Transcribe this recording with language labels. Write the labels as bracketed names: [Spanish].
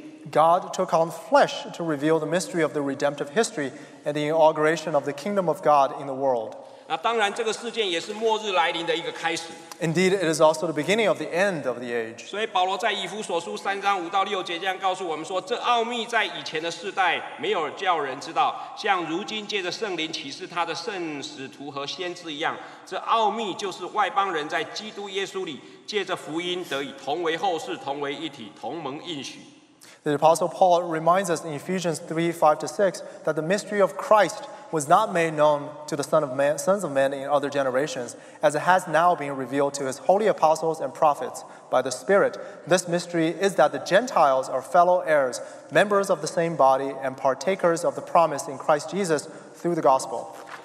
[English] God took on flesh to reveal the mystery of the redemptive history and the inauguration of the kingdom of God in the world. Indeed, it is also the beginning of the end of the age. [Chinese] 所以保罗在以弗所书3章5到6节这样告诉我们说，这奥秘在以前的世代没有叫人知道，像如今借着圣灵启示他的圣使徒和先知一样，这奥秘就是外邦人在基督耶稣里借着福音得以同为后世，同为一体，同盟应许。 [English] The Apostle Paul reminds us in Ephesians 3:5-6 that the mystery of Christ was not made known to the sons of men in other generations, as it has now been revealed to his holy apostles and prophets by the Spirit. This mystery is that the Gentiles are fellow heirs, members of the same body, and partakers of the promise in Christ Jesus through the gospel.